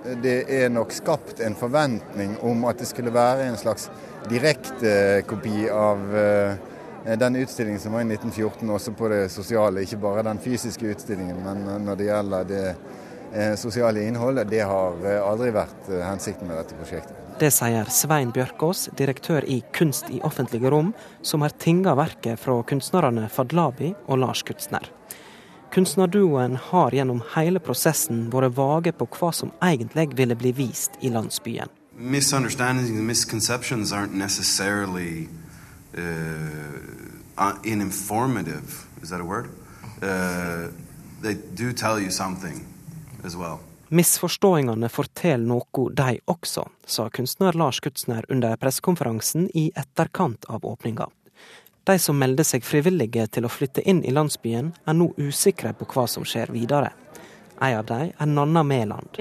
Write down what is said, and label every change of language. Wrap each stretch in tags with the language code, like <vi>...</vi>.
<no>Det er nok skapt en forventning om at det skulle være en slags direkte kopi av den utstillingen som var i 1914, også på det sosiale, ikke bare den fysiske utstillingen, men når det gjelder det sosiale innholdet, det har aldri vært hensikten med dette prosjektet. Det sier Svein Bjørkås, direktør i Kunst i offentlige rom, som har tinget verket fra kunstnerne Fadlabi og Lars Kutzner. Kunstnerduoen har gjennom hele prosessen vært vage på hva som egentlig ville bli vist i landsbyen.</no> <en>Misunderstandings and misconceptions aren't necessarily informative, is that a word? They do tell you something as well.</en> <no>Misforståingene forteller noe de også, sa kunstner Lars Kutzner under pressekonferansen i etterkant av åpninga. De som melder seg frivillige til å flytte inn i landsbyen er nå usikre på hva som skjer videre. En av dem er Nanna Mæland.</no>